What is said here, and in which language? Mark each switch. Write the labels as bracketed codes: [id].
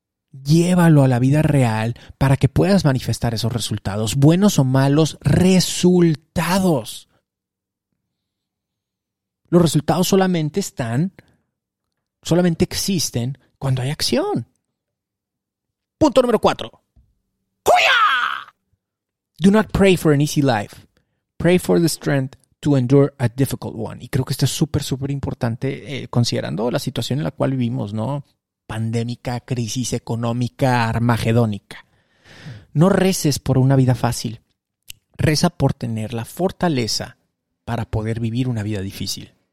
[es] Llévalo a la vida real para que puedas manifestar esos resultados, buenos o malos resultados. Los resultados solamente existen cuando hay acción. Punto número 4. ¡Huya! [en] Do not pray for an easy life. Pray for the strength to endure a difficult one. [es] Y creo que esto es súper, súper importante considerando la situación en la cual vivimos, ¿no? Pandémica, crisis económica, armagedónica. No reces por una vida fácil. Reza por tener la fortaleza para poder vivir una vida difícil.